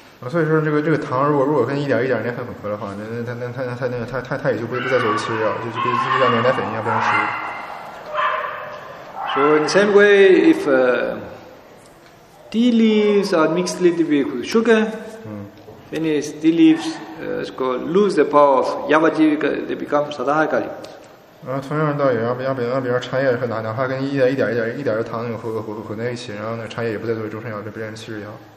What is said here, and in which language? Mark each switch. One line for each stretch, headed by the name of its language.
Chinese: 所以说这个糖如果跟一点奶粉混合的话，那它也就不再作为食物，就像牛奶粉一样变成食物。
English: So in the same way, if tea leaves are mixed a little bit with sugar, then is tea leaves lose the power of yavajivika, they become sadhakali.
Chinese: 同样的道理，比方茶叶和哪怕跟一点的糖混在一起，然后那茶叶也不再作为终身药，就变成气质药。